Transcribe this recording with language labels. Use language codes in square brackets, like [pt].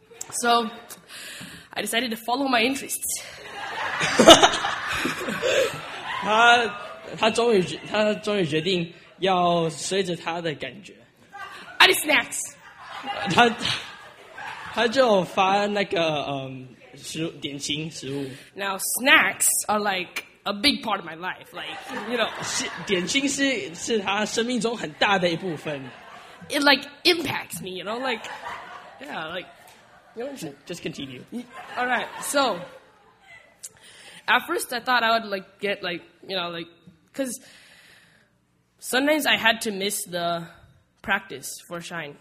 [en] So, I decided to follow my interests. [zh] 他终于决定要随着他的感觉。 [en] I did snacks. [zh] 他就发那个食物点心食物。 [en] Now snacks are like. A big part of my life, like you know, [zh] 点心是他生命中很大的一部分。 [en] It like impacts me, you know, like yeah, like you know. Just continue. All right, so at first I thought I would like get like you know like because sometimes I had to miss the practice for Shine.